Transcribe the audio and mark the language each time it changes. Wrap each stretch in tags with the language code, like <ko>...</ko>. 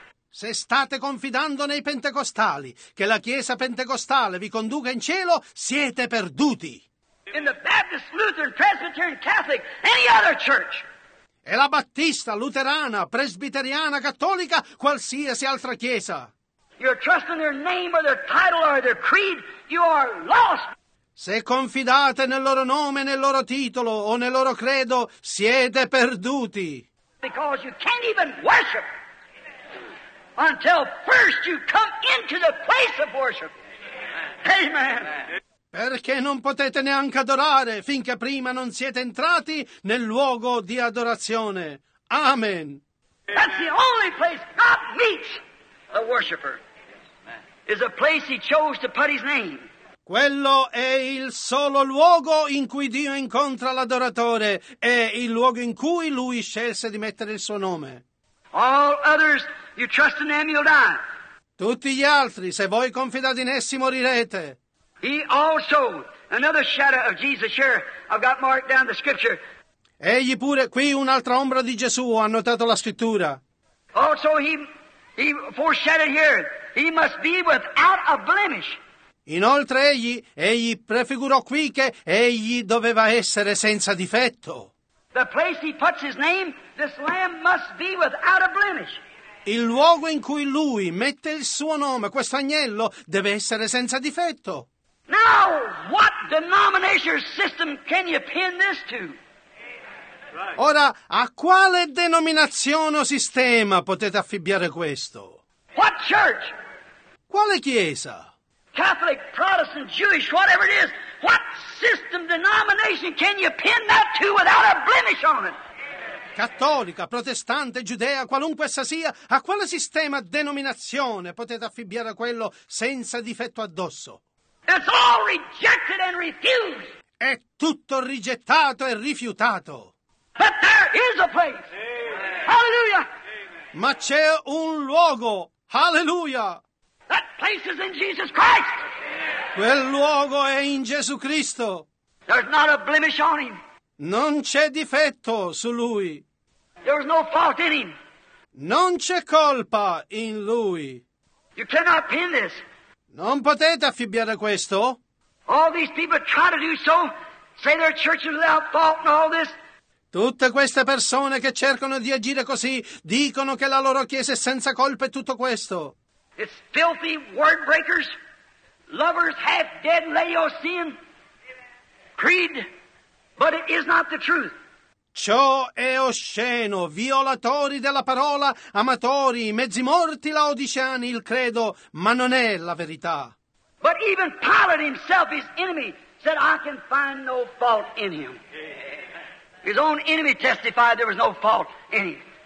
<it>Se state confidando nei pentecostali che la chiesa pentecostale vi conduca in cielo, siete perduti.</it> <en>In the Baptist, Lutheran, Presbyterian, Catholic, any other church.</en> <it>E la Battista, Luterana, Presbiteriana, Cattolica, qualsiasi altra chiesa.</it> <en>You're trusting their name or their title or their creed, you are lost.</en> <it>Se confidate nel loro nome, nel loro titolo o nel loro credo, siete perduti.</it> <en>Because you can't even worship until first you come into the place of worship. Amen.</en> <it>Perché non potete neanche adorare finché prima non siete entrati nel luogo di adorazione. Amen.</it> <en>That's the only place God meets a worshiper. Is a place he chose to put his name.</en> <it>Quello è il solo luogo in cui Dio incontra l'adoratore, è il luogo in cui lui scelse di mettere il suo nome.</it> <en>All others, you trust in them, you'll die.</en> <it>Tutti gli altri, se voi confidate in essi, morirete.</it> <en>He also, another shadow of Jesus here, I've got marked down the scripture.</en> <it>Egli pure, qui un'altra ombra di Gesù, ho annotato la scrittura.</it> <en>Also he foreshadowed here, he must be without a blemish.</en> <it>Inoltre egli prefigurò qui che egli doveva essere senza difetto.</it> <en>The place he puts his name, this lamb must be without a blemish.</en> <it>Il luogo in cui lui mette il suo nome, questo agnello, deve essere senza difetto.</it> <en>Now, what denomination system can you pin this to?</en> <it>Ora, a quale denominazione o sistema potete affibbiare questo?</it> <en>What church?</en> <it>Quale chiesa?</it> <en>Catholic, Protestant, Jewish, whatever it is. What system denomination can you pin that to without a blemish on it?</en> <it>Cattolica, protestante, giudea, qualunque essa sia, a quale sistema denominazione potete affibbiare quello senza difetto addosso?</it> <en>It's all rejected and refused.</en> <it>È tutto rigettato e rifiutato.</it> <en>But there is a place. Hallelujah.</en> <it>Ma c'è un luogo. Hallelujah.</it> <en>That place is in Jesus Christ.</en> <it>Quel luogo è in Gesù Cristo.</it> <en>There's not a blemish on him.</en> <it>Non c'è difetto su lui.</it> <en>There's no fault in him.</en> <it>Non c'è colpa in lui.</it> <en>You cannot pin this.</en> <it>Non potete affibbiare questo.</it> <en>All these people try to do so, say their church is without fault and all this.</en> <it>Tutte queste persone che cercano di agire così dicono che la loro chiesa è senza colpa e tutto questo.</it> <en>It's filthy word breakers, lovers half dead Laodicean creed, but it is not the truth.</en> <it>Ciò è osceno, violatori della parola, amatori, mezzi morti, laodiciani, il credo, ma non è la verità.</it> <en>But even Pilate himself, his enemy, said, I can find no fault in him. His own enemy testified there was no fault in him.</en>